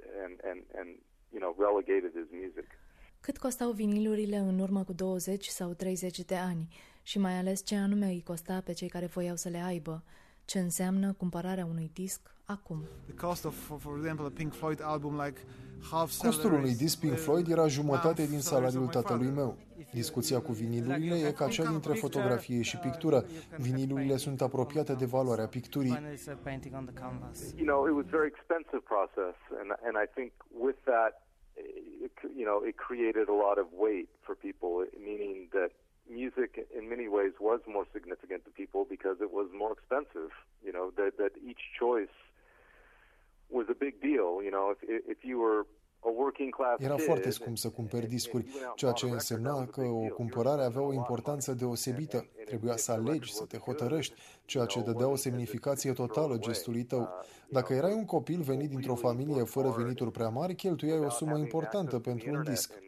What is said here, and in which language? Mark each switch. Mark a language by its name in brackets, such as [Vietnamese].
[English] Structure of what is defined and relegated as music. [Romanian] Cât costau vinilurile în urmă cu 20 sau 30 de ani și mai ales ce anume îi costa pe cei care voiau să le aibă, ce înseamnă cumpărarea unui disc acum. [English] The cost of, for example, a Pink Floyd album, like half salary. [Romanian] Costul unui disc Pink Floyd era jumătate din salariul tatălui meu. Discuția cu vinilurile e ca cea dintre fotografie și pictură. Vinilurile sunt apropiate de valoarea picturii. [English] You know, it was very expensive process and I think with that, you know, it created a lot of weight for people, meaning that music in many ways was more significant to people because it was more expensive, you know, that each choice was a big deal, you know, if you were [Romanian] Era foarte scump să cumperi discuri, ceea ce însemna că o cumpărare avea o importanță deosebită. Trebuia să alegi, să te hotărăști, ceea ce dădea o semnificație totală gestului tău. Dacă erai un copil venit dintr-o familie fără venituri prea mari, cheltuiai o sumă importantă pentru un disc.